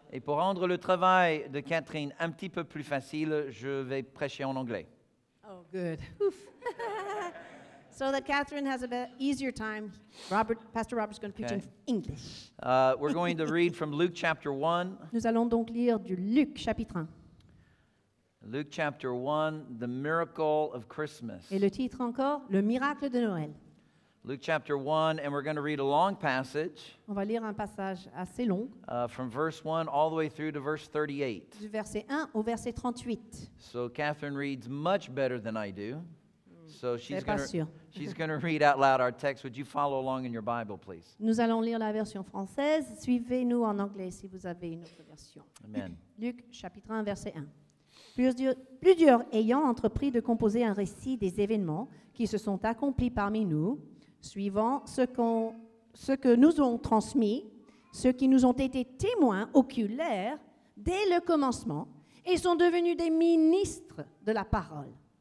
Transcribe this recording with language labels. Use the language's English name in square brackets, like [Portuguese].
[French] Et pour rendre le travail de Catherine un petit peu plus facile, je vais prêcher en anglais. [English] Oh, good. Oof. So that Catherine has a bit easier time, Pastor Robert's going to preach in English. We're going to read from Luke chapter 1. [French] Nous allons donc lire du Luc chapitre 1. [English] Luke chapter 1, The Miracle of Christmas. [French] Et le titre encore, Le Miracle de Noël. [English] Luke chapter 1, and we're going to read a long passage. [French] On va lire un passage assez long. [English] From verse 1 all the way through to verse 38. [French] Du verset 1 au verset 38. [English] So Catherine reads much better than I do. So she's going to read out loud our text. Would you follow along in your Bible, please? [French] Nous allons lire la version française. Suivez-nous en anglais si vous avez une autre version. Amen. Luc chapitre 1 verset 1. Plusieurs ayant entrepris de composer un récit des événements qui se sont accomplis parmi nous, suivant ce que nous ont transmis, ceux qui nous ont été témoins oculaires dès le commencement et sont devenus des ministres de la parole.